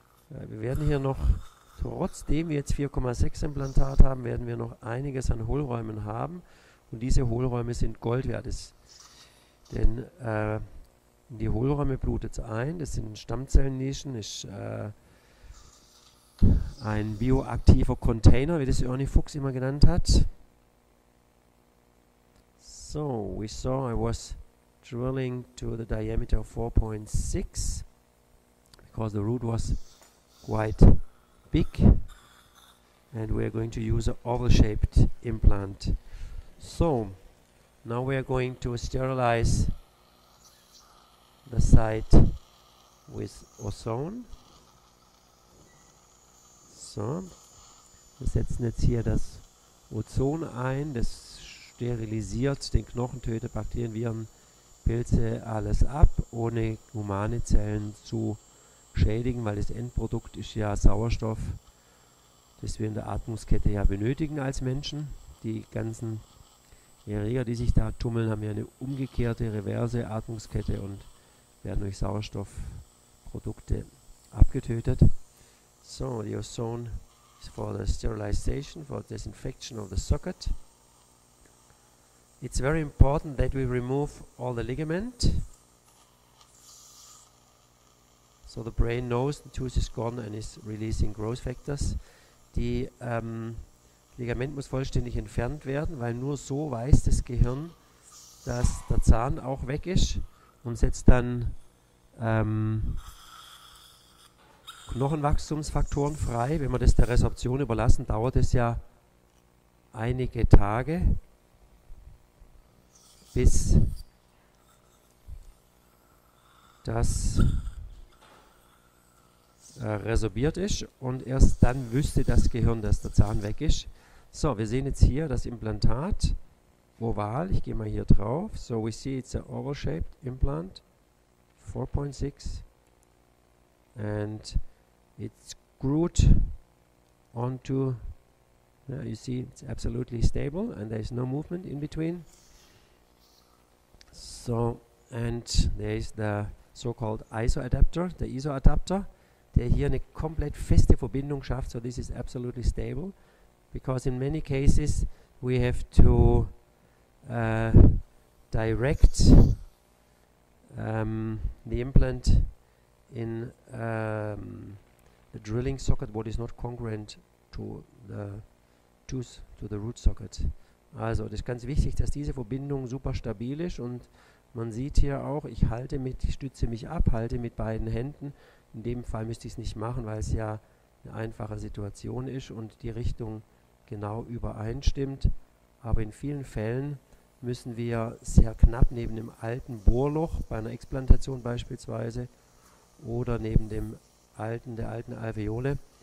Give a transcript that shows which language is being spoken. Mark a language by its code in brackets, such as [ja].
[de] Wir werden hier noch, trotzdem wir jetzt 4,6 Implantat haben, werden wir noch einiges an Hohlräumen haben. Und diese Hohlräume sind Gold wert. Denn in die Hohlräume blutet es ein. Das sind Stammzellennischen, ist ein bioaktiver Container, wie das Ernie Fuchs immer genannt hat. [en] So, we saw I was drilling to the diameter of 4.6 because the root was quite big and we are going to use an oval shaped implant. So now we are going to sterilize the site with ozone. [de] So, wir setzen jetzt hier das Ozon ein, das sterilisiert den Knochen, tötet Bakterien, Viren, Pilze alles ab, ohne humane Zellen zu schädigen, weil das Endprodukt ist ja Sauerstoff, das wir in der Atmungskette ja benötigen als Menschen. Die ganzen Erreger, die sich da tummeln, haben ja eine umgekehrte, reverse Atmungskette und werden durch Sauerstoffprodukte abgetötet. [en] So, the ozone is for the sterilization, for disinfection of the socket. It's very important that we remove all the ligament. So the brain knows the tooth is gone and is releasing growth factors. [de] Die Ligament muss vollständig entfernt werden, weil nur so weiß das Gehirn, dass der Zahn auch weg ist und setzt dann Knochenwachstumsfaktoren frei. Wenn wir das der Resorption überlassen, dauert es ja einige Tage, bis das resorbiert ist und erst dann wüsste das Gehirn, dass der Zahn weg ist. So, wir sehen jetzt hier das Implantat oval. Ich gehe mal hier drauf. [en] So, we see it's an oval-shaped implant, 4.6. And it's screwed onto, you see it's absolutely stable and there is no movement in between. So, and there is the so-called ISO adapter, [de] der hier eine komplett feste Verbindung schafft, [en] so this is absolutely stable, because in many cases we have to direct the implant in the drilling socket, what is not congruent to the tooth, to the root socket. [de] Also, das ist ganz wichtig, dass diese Verbindung super stabil ist und man sieht hier auch, ich stütze mich ab, halte mit beiden Händen. In dem Fall müsste ich es nicht machen, weil es ja eine einfache Situation ist und die Richtung genau übereinstimmt. Aber in vielen Fällen müssen wir sehr knapp neben dem alten Bohrloch, bei einer Explantation beispielsweise, oder neben dem alten, der alten Alveole.